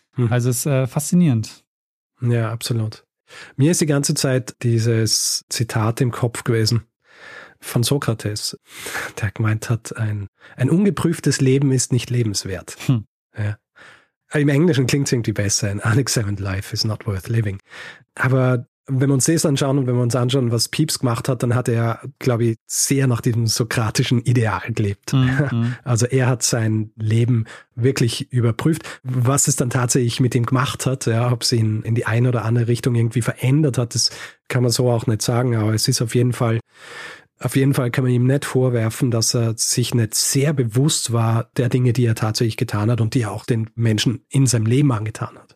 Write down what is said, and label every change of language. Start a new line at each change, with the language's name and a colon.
German: Also es ist faszinierend. Ja, absolut. Mir ist die ganze Zeit dieses Zitat im Kopf gewesen von Sokrates, der gemeint hat, ein ungeprüftes Leben ist nicht lebenswert. Ja. Im Englischen klingt es irgendwie besser.
English: An unexamined life is not worth living.
German: Aber wenn wir uns das anschauen und wenn wir uns anschauen, was Pepys gemacht hat, dann hat er, glaube ich, sehr nach diesem sokratischen Ideal gelebt. Mhm. Also er hat sein Leben wirklich überprüft, was es dann tatsächlich mit ihm gemacht hat, ja, ob es ihn in die eine oder andere Richtung irgendwie verändert hat, das kann man so auch nicht sagen, aber es ist auf jeden Fall kann man ihm nicht vorwerfen, dass er sich nicht sehr bewusst war der Dinge, die er tatsächlich getan hat und die er auch den Menschen in seinem Leben angetan hat.